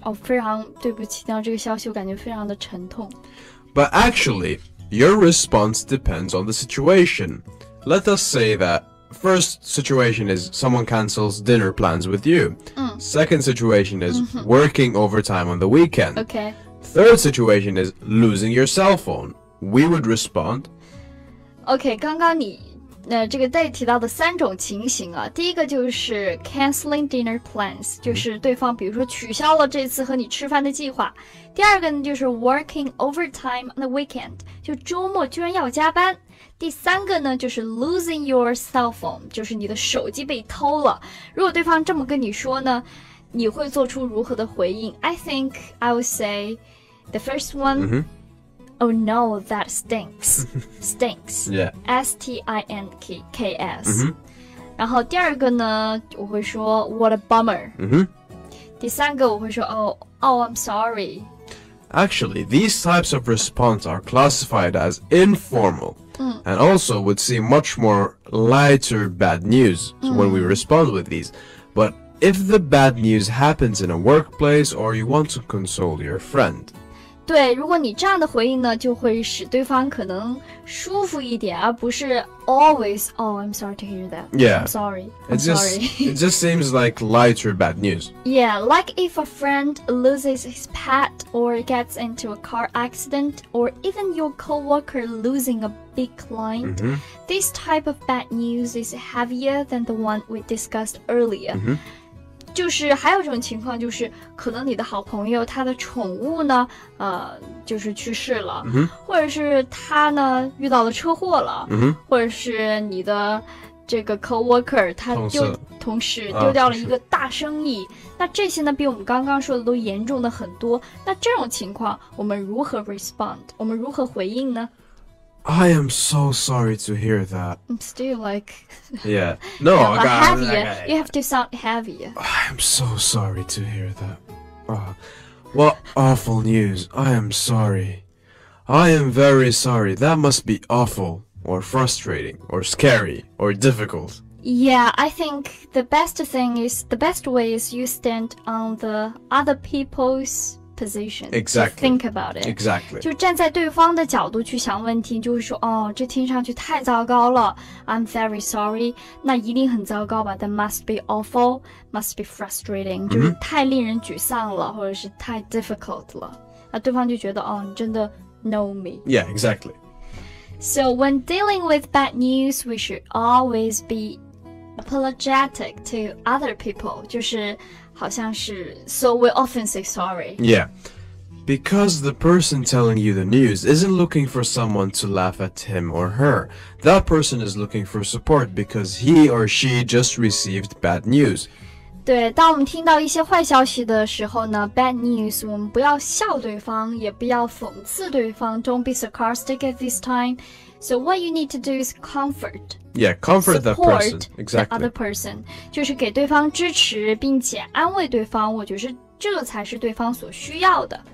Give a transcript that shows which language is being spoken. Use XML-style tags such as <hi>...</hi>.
<zh>Oh, 非常对不起，听到这个消息，我感觉非常的沉痛。</zh> <en>But actually, your response depends on the situation. Let us say that first situation is someone cancels dinner plans with you.、 Mm. Second situation is、mm-hmm. working overtime on the weekend. Okay. Third situation is losing your cell phone. We would respond.</en> <zh>Okay, 刚刚你这个Day提到的三种情形啊，第一个就是</zh> <en>canceling dinner plans，</en> <zh>就是对方比如说取消了这次和你吃饭的计划。第二个呢就是</zh> <en>working overtime on the weekend，</en> <zh>就周末居然要加班。第三个呢就是</zh> <en>losing your cell phone，</en> <zh>就是你的手机被偷了。如果对方这么跟你说呢，你会做出如何的回应？</zh> <en>I think I would say the first one、 mm-hmm. Oh no, that stinks. Stinks. Yeah. S-T-I-N-K-S.、 Mm-hmm.</en> <zh>然后第二个呢我会说</zh> <en>what a bummer.、 Mm-hmm.</en> <zh>第三个我会说</zh> <en>oh, I'm sorry. Actually, these types of response are classified as informal、 mm. and also would seem much more lighter bad news、mm. when we respond with these. But if the bad news happens in a workplace or you want to console your friend,</en> <zh>对，如果你这样的回应呢，就会使对方可能舒服一点，而不是</zh> <en>always, oh, I'm sorry to hear that. Yeah. I'm sorry. It just seems like lighter bad news. Yeah, like if a friend loses his pet or gets into a car accident or even your coworker losing a big client,、 mm-hmm. this type of bad news is heavier than the one we discussed earlier.、 Mm-hmm.</en> <zh>就是还有一种情况就是可能你的好朋友他的宠物呢就是去世了、 mm-hmm. 或者是他呢遇到了车祸了、 mm-hmm. 或者是你的这个 coworker 他就同时丢掉了一个大生意、那这些呢比我们刚刚说的都严重的很多那这种情况我们如何 respond 我们如何回应呢</zh> <en>I am so sorry to hear that. I'm still like... yeah. No, I got heavier. Okay. You have to sound heavier. I am so sorry to hear that. What awful news. I am sorry. I am very sorry. That must be awful, or frustrating, or scary, or difficult. Yeah, I think the best way is you stand on the other people's position. Exactly. To think about it. Exactly.</en> <zh>就站在对方的角度去想问题，就是说，哦，这听上去太糟糕了。</zh> <en>I'm very sorry.</en> <zh>那一定很糟糕吧</zh> <en>？That must be awful. Must be frustrating.</en> <zh>就是太令人沮丧了，或者是太 difficult 了。那对方就觉得，哦，你真的</zh> <en>know me. Yeah, exactly. So when dealing with bad news, we should always be apologetic to other people.</en> <zh>就是好像是</zh> <en>so we often say sorry. Yeah, because the person telling you the news isn't looking for someone to laugh at him or her. That person is looking for support because he or she just received bad news.</en> <zh>对，当我们听到一些坏消息的时候呢 bad news, 我们不要笑对方，也不要讽刺对方。</zh> <en>Don't be sarcastic at this time. So what you need to do is comfort. Yeah, comfort that person. Support the other person.</en> <zh>就是给对方支持并且安慰对方，我觉得这才是对方所需要的。</zh>